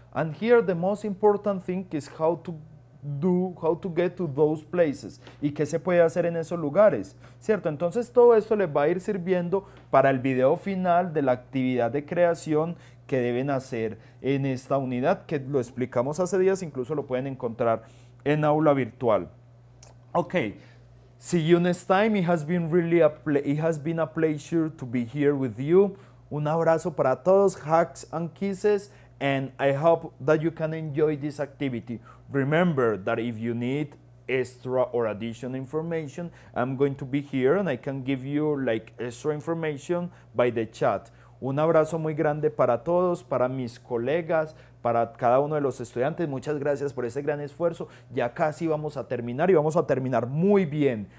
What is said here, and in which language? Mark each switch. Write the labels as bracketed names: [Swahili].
[English] And here, the most important thing is how to get to those places [Spanish] y qué se puede hacer en esos lugares, ¿cierto? Entonces todo esto les va a ir sirviendo para el video final de la actividad de creación que deben hacer en esta unidad, que lo explicamos hace días, incluso lo pueden encontrar en aula virtual. [English] Ok, see you next time. It has been a pleasure to be here with you. [Spanish] Un abrazo para todos, [English] hugs and kisses, and I hope that you can enjoy this activity. Remember that if you need extra or additional information, I'm going to be here and I can give you like extra information by the chat. [Spanish] Un abrazo muy grande para todos, para mis colegas, para cada uno de los estudiantes. Muchas gracias por ese gran esfuerzo. Ya casi vamos a terminar y vamos a terminar muy bien.